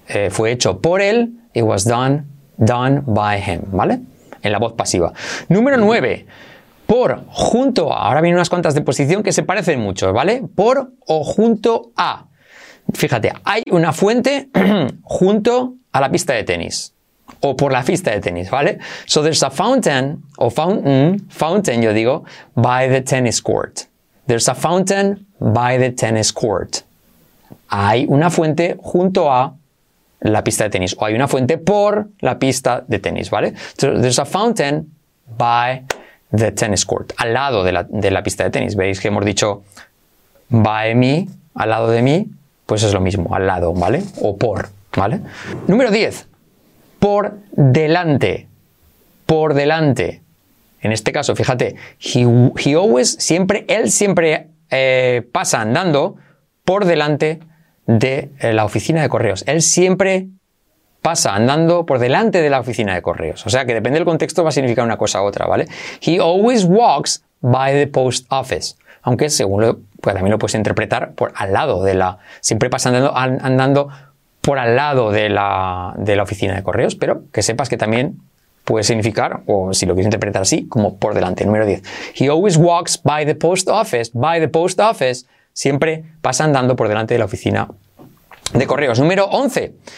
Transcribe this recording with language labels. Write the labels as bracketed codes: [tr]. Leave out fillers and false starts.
[es] Fue hecho por él, [en] it was done by him, [es] ¿vale? En la voz pasiva. Número 9, por, junto a, ahora vienen unas cuantas de posición que se parecen mucho, ¿vale? Por o junto a. Fíjate, hay una fuente junto a la pista de tenis. O por la pista de tenis, ¿vale? [en] So there's a fountain, o fountain, [es] yo digo, [en] by the tennis court. There's a fountain by the tennis court. [es] Hay una fuente junto a la pista de tenis. O hay una fuente por la pista de tenis, ¿vale? [en] So there's a fountain by the tennis court. [es] Al lado de la pista de tenis. Veis que hemos dicho by me, al lado de mí, pues es lo mismo, al lado, ¿vale? O por, ¿vale? Número 10. Por delante, por delante. En este caso, fíjate, él siempre pasa andando por delante de la oficina de correos. Él siempre pasa andando por delante de la oficina de correos. O sea, que depende del contexto va a significar una cosa u otra, ¿vale? [en] He always walks by the post office. [es] Aunque según lo, pues también lo puedes interpretar por al lado de la, siempre pasa andando por al lado de la oficina de correos, pero que sepas que también puede significar, o si lo quieres interpretar así, como por delante. Número 10. [en] He always walks by the post office. By the post office. [es] Siempre pasa andando por delante de la oficina de correos. Número 11.